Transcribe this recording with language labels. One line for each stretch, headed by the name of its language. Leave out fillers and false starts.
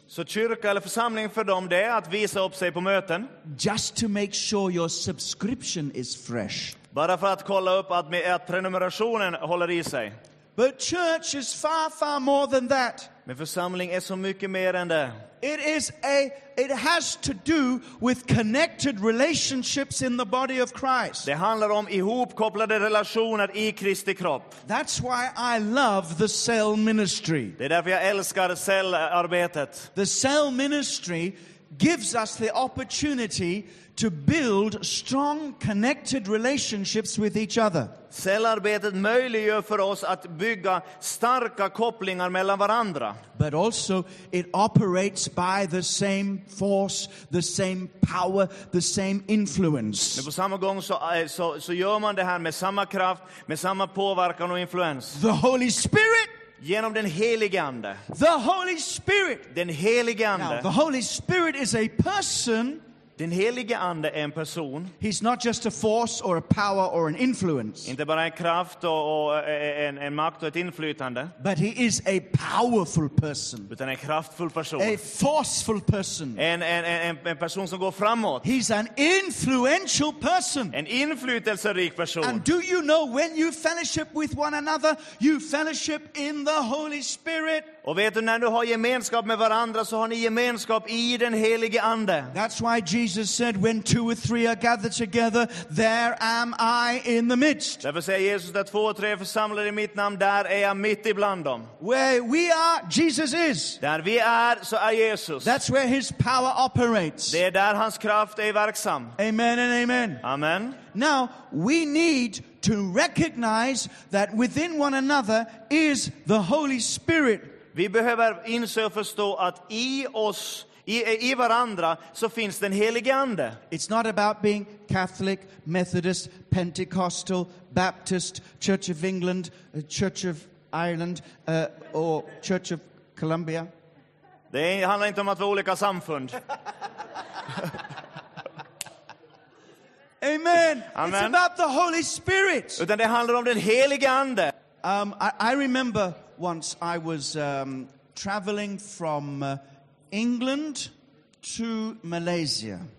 Swedish: Så kyrka eller församling för dem, det är att visa upp sig på möten.
English: Just to make sure your subscription is fresh.
Swedish: Bara för att kolla upp att prenumerationen håller i sig.
English: But church is far, far more than that.
Swedish: Men församling är så mycket mer än det.
English: It has to do with connected relationships in the body of Christ.
Swedish: Det handlar om ihopkopplade relationer i Kristi kropp.
English: That's why I love the cell ministry.
Swedish: Det är därför jag älskar cellarbetet.
English: The cell ministry gives us the opportunity to build strong connected relationships with each other.
Swedish: Cellarbetet möjliggör för oss att bygga starka kopplingar mellan varandra.
English: But also it operates by the same force, the same power, the same influence.
Swedish: Men på samma gång så gör man det här med samma kraft, med samma påverkan och influens.
English: The Holy Spirit.
Swedish: Genom den helige ande.
English: The Holy Spirit.
Swedish: Den helige ande.
English: Now, the Holy Spirit is a person.
Swedish: Den helige ande är en person.
English: He's not just a force or a power or an influence.
Swedish: Inte bara en kraft och en makt och ett inflytande.
English: But he is a powerful person.
Swedish: Utan en kraftfull person.
English: A forceful person.
Swedish: En person som går framåt.
English: He's an influential person.
Swedish: En inflytelserik person.
English: And do you know when you fellowship with one another, you fellowship in the Holy Spirit.
Swedish: Och vet du, när du har gemenskap med varandra så har ni gemenskap i den helige ande.
English: That's why Jesus said, when two or three are gathered together, there am I in the midst.
Swedish: Därför säger Jesus att två och tre församlade i mitt namn, där är jag mitt ibland dem.
English: Where we are, Jesus is.
Swedish: Där vi är, så är Jesus.
English: That's where his power operates.
Swedish: Det är där hans kraft är verksam.
English: Amen and amen.
Swedish: Amen.
English: Now, we need to recognize that within one another is the Holy Spirit.
Swedish: Vi behöver inse och förstå att i oss, i varandra, så finns den helige ande.
English: It's not about being Catholic, Methodist, Pentecostal, Baptist, Church of England, Church of Ireland, or Church of Columbia.
Swedish: Det handlar inte om att vara olika samfund.
English: Amen.
Swedish: Amen.
English: It's about the Holy Spirit.
Swedish: Utan det handlar om den helige ande.
English: I remember once I was traveling from England to Malaysia.